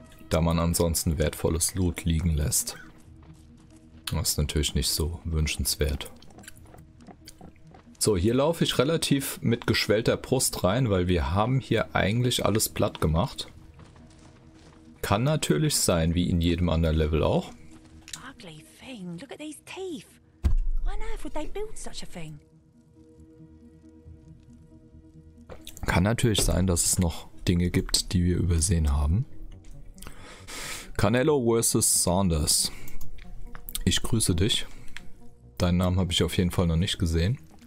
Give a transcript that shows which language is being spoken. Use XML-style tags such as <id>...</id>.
<de>Da man ansonsten wertvolles Loot liegen lässt. Das ist natürlich nicht so wünschenswert. So, hier laufe ich relativ mit geschwellter Brust rein, weil wir haben hier eigentlich alles platt gemacht. Kann natürlich sein, wie in jedem anderen Level auch.</de> <en>Ugly thing. Look at these teeth. Why on earth would they build such a thing?</en> <de>Kann natürlich sein, dass es noch Dinge gibt, die wir übersehen haben. Canelo vs. Saunders. Ich grüße dich. Deinen Namen habe ich auf jeden Fall noch nicht gesehen.</de>